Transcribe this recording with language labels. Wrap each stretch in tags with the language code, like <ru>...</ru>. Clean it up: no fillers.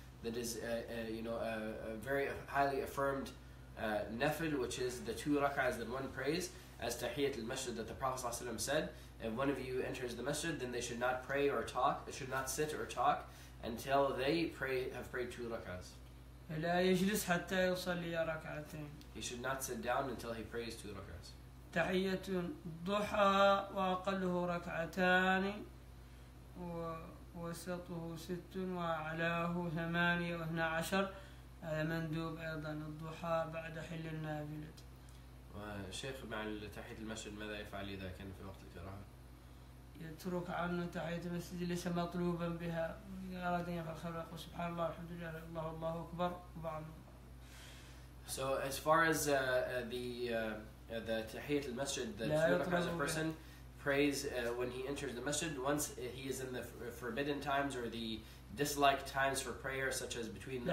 <en>That is, a very highly affirmed nafil, which is the two rak'ahs that one prays as tahiyyat al-masjid, that the Prophet ﷺ said, if one of you enters the masjid, then they should not pray or talk, they should not sit or talk until they pray have prayed two rak'ahs.</en> <ar>لا يجلس حتى يصلي ركعتين.</ar> <en>He should not sit down until he prays two rak'ahs.</en> <ar>تحيات ضحى وأقله ركعتان و. وسطه ست وعلاه ثمانية واثنى عشر هذا مندوب أيضا الضحى بعد حل النافلة. وشيخ مع تحية المسجد ماذا يفعل إذا كان في وقت الكراهة؟ يترك عنه تحية المسجد ليس مطلوبا بها أراد أن يفعل خلقه سبحان الله الحمد لله الله الله أكبر وبعد.</ar> <en>So as far as the تحية المسجد that you as a person prays when he enters the masjid, once he is in the forbidden times or the disliked times for prayer, such as between the</en>